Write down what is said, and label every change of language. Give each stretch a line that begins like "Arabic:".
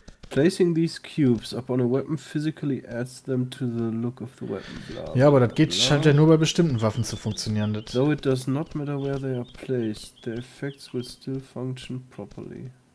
English: Placing these cubes upon a weapon physically adds them to the look of the weapon.
German: Ja, aber das geht, scheint ja nur bei bestimmten Waffen zu funktionieren.
English: Though it does not matter where they are placed, the effects will still function properly.